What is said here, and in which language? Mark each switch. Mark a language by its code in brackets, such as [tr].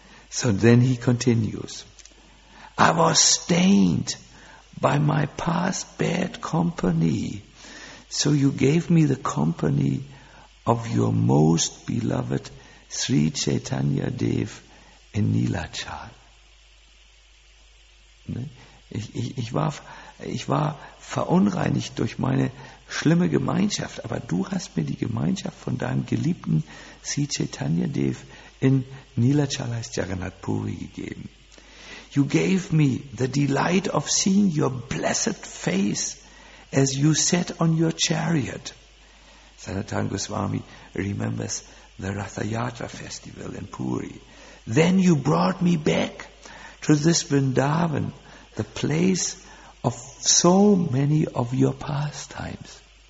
[en] So then he continues. I was stained by my past bad company. So you gave me the company of your most beloved Sri Chaitanya Dev in Nilachal. [de] Ich war verunreinigt durch meine schlimme Gemeinschaft, aber du hast mir die Gemeinschaft von deinem geliebten Sri Chaitanya Dev in Nilachal, heißt Jagannath Puri, gegeben. [en] You gave me the delight of seeing your blessed face as you sat on your chariot. Sanatana Goswami remembers the Ratha Yatra festival in Puri. Then you brought me back to this Vrindavan, the place of so many of your pastimes.